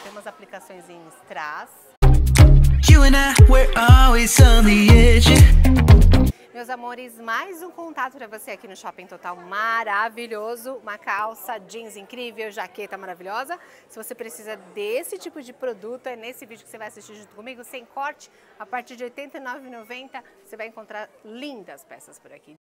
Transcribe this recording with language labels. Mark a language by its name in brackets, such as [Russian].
[Portuguese] Temos aplicações em strass. [English] You and I, we're always on the edge. [Portuguese] Meus amores, mais um contato para você aqui no Shopping Total maravilhoso. Uma calça, jeans incrível, jaqueta maravilhosa. Se você precisa desse tipo de produto, é nesse vídeo que você vai assistir junto comigo, sem corte. A partir de R$89,90, você vai encontrar lindas peças por aqui.